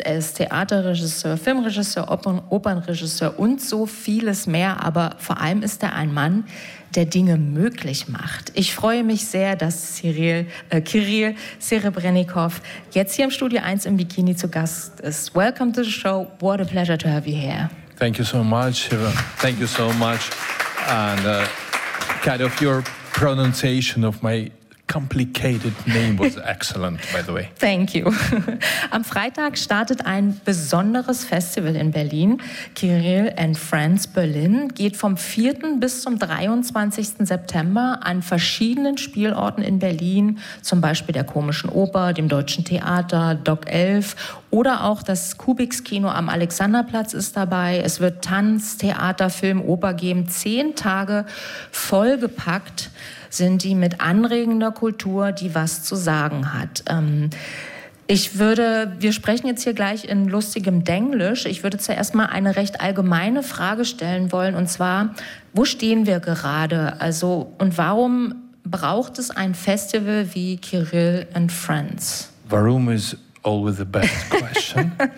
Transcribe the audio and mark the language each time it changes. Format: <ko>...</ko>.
<de>Er ist Theaterregisseur, Filmregisseur, Opernregisseur und so vieles mehr. Aber vor allem ist er ein Mann, der Dinge möglich macht. Ich freue mich sehr, dass Kirill Serebrennikov jetzt hier im Studio 1 im Bikini zu Gast ist.</de> <en>Welcome to the show. What a pleasure to have you here. Thank you so much, Shiva. Thank you so much. And kind of your pronunciation of my complicated name was excellent, by the way. Thank you.</en> <de>Am Freitag startet ein besonderes Festival in Berlin. Kirill and Friends Berlin geht vom 4. bis zum 23. September an verschiedenen Spielorten in Berlin, zum Beispiel der Komischen Oper, dem Deutschen Theater, Doc 11 oder auch das Kubiks Kino am Alexanderplatz ist dabei. Es wird Tanz, Theater, Film, Oper geben. 10 Tage vollgepackt sind die mit anregender Kultur, die was zu sagen hat. Wir sprechen jetzt hier gleich in lustigem Denglisch. Ich würde zuerst mal eine recht allgemeine Frage stellen wollen, und zwar, wo stehen wir gerade? Also, und warum braucht es ein Festival wie Kirill and Friends?</de> <en>Warum is always the best question.</en>